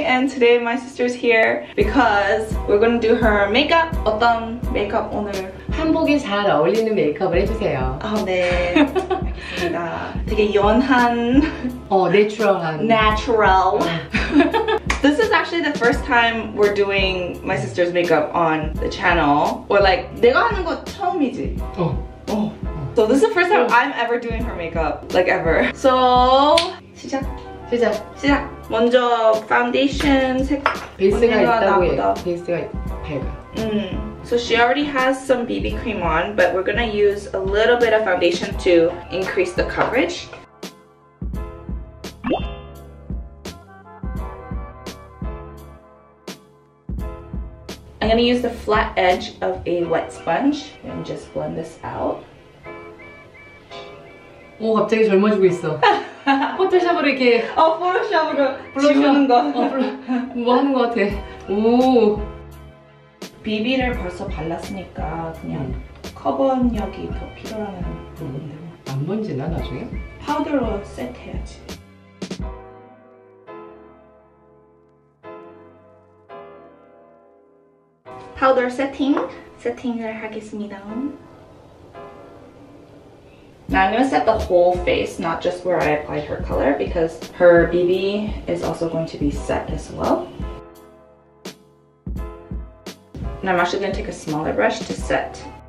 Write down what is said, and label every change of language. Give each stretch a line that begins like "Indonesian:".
English: And today my sister's here because we're gonna do her makeup.
Korean: 어떤 메이크업 오늘? 한복에 잘 어울리는 메이크업을 해주세요. 아, 네. 알겠습니다. 되게 연한. 내추럴한.
English: Natural. This is actually the first time we're doing my sister's makeup on the channel.
Korean: Or like, 내가 하는 거 처음이지?
English: So this is the first time I'm ever doing her makeup, like ever. So,
Korean: 시작. 먼저 foundation 색. 베이스가 있다고 해요. 베이스가 밝아.
English: So she already has some BB cream on, but we're gonna use a little bit of foundation to increase the coverage. 네. I'm gonna use the flat edge of a wet sponge and just blend this out.
Korean: 오, 갑자기 젊어지고 있어. 포토샵으로 이렇게 포토샵으로 지우는 거. 뭐 하는 거 같아. 오. BB를 벌써 발랐으니까 그냥 커버력이 더 필요하다는 부분인데. 안 번지나 나중에? 파우더로 세트해야지. 파우더 세팅을 하겠습니다.
English: Now I'm gonna set the whole face, not just where I applied her color, because her BB is also going to be set as well. And I'm actually gonna take a smaller brush to set.